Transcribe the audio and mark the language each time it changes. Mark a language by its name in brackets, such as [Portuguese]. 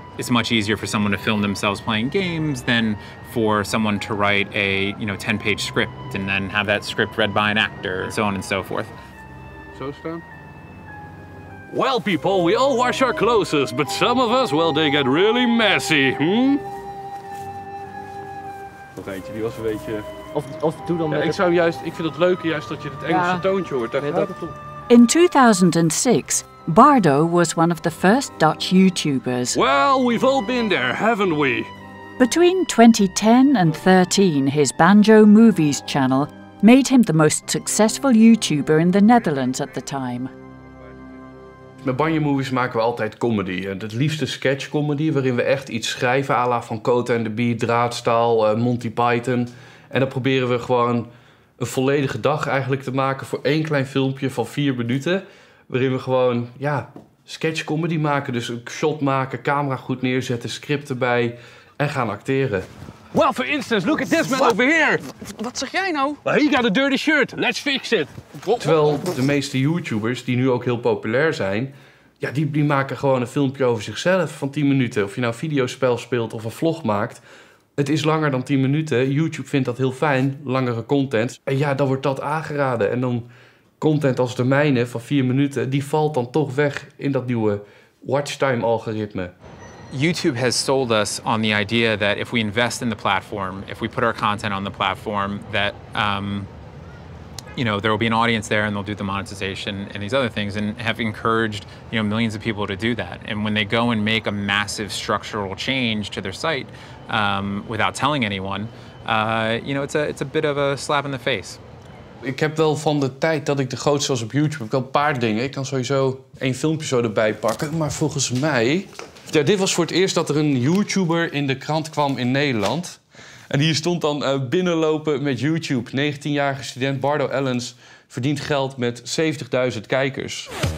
[English] It's much easier for someone to film themselves playing games than for someone to write a, you know, 10-page script and then have that script read by an actor, and so on and so forth. So, Stan? Well, people, we all wash our clothes, but some of us, well, they get really messy, [Dutch] Dat eentje, die was een beetje... Of doe dan... Ja, ik zou juist, ik vind het leuke juist dat je het Engelse toontje hoort, daar gaat het om. [English] In 2006, Bardo was one of the first Dutch YouTubers. Well, we've all been there, haven't we? Between 2010 and 13, his Banjo Movies channel made him the most successful YouTuber in the Netherlands at the time. [Dutch] Met Banjo Movies maken we altijd comedy. Het liefste sketch comedy, waarin we echt iets schrijven, à la Van Cote en de Bie, Draadstaal, Monty Python. En dan proberen we gewoon een volledige dag eigenlijk te maken voor één klein filmpje van 4 minuten. Waarin we gewoon, ja, sketch comedy maken. Dus een shot maken, camera goed neerzetten, script erbij en gaan acteren. [English] Well, for instance, look at this man over here. [Dutch] Wat zeg jij nou? [English] Well, he got a dirty shirt. Let's fix it. [Dutch] Terwijl de meeste YouTubers, die nu ook heel populair zijn, ja, die maken gewoon een filmpje over zichzelf van 10 minuten. Of je nou een videospel speelt of een vlog maakt. Het is langer dan 10 minuten. YouTube vindt dat heel fijn, langere content. En ja, dan wordt dat aangeraden. En dan content als de mijne van 4 minuten, die valt dan toch weg in dat nieuwe watchtime algoritme. [English] YouTube has sold us on the idea that if we invest in the platform, if we put our content on the platform, that you know, there will be an audience there and they'll do the monetization and these other things, and have encouraged, you know, millions of people to do that. And when they go and make a massive structural change to their site without telling anyone, you know, it's a bit of a slap in the face. [Dutch] Ik heb wel van de tijd dat ik de grootste was op YouTube, wel een paar dingen. Ik kan sowieso 1 filmpje zo erbij pakken, maar volgens mij... Ja, dit was voor het eerst dat er een YouTuber in de krant kwam in Nederland. En hier stond dan binnenlopen met YouTube. 19-jarige student Bardo Ellens verdient geld met 70.000 kijkers.